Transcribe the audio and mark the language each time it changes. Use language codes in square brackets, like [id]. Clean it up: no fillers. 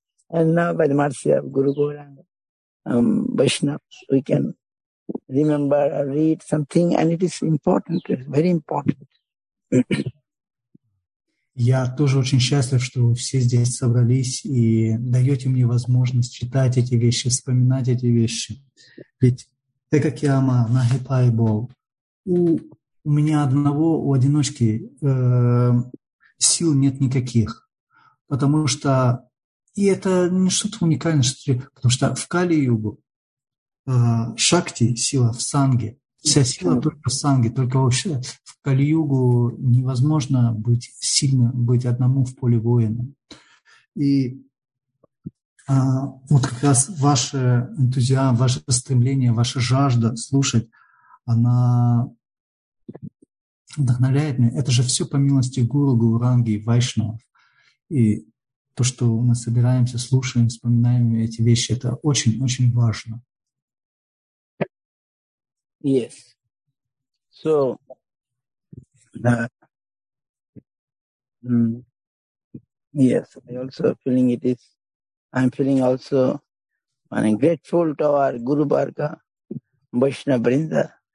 [en] And now by the mercy of Guru Gauranga, Vaishnava, we can remember or read something, and it is important, very important. [ru] Я тоже очень счастлив, что вы все здесь собрались и даете мне возможность читать эти вещи, вспоминать эти вещи. Ведь Экакиама Нагипайбол, у меня одного, у одиночки сил нет никаких. Потому что, и это не что-то уникальное, что, потому что в Кали-Югу шакти, сила в санге, вся сила только в санге, только вообще в Кали-Югу невозможно быть сильным, быть одному в поле воина. И Вот как раз ваш энтузиазм, ваше стремление, ваша жажда слушать, она вдохновляет меня. Это же все по милости Гуру, Гуранги и Вайшнавов. И то, что мы собираемся, слушаем, вспоминаем эти вещи, это очень-очень важно. [en] Yes. So, yes, I also feeling it is, I'm feeling also, I'm grateful to our Guru Bhargava, Vaishnava Brinda.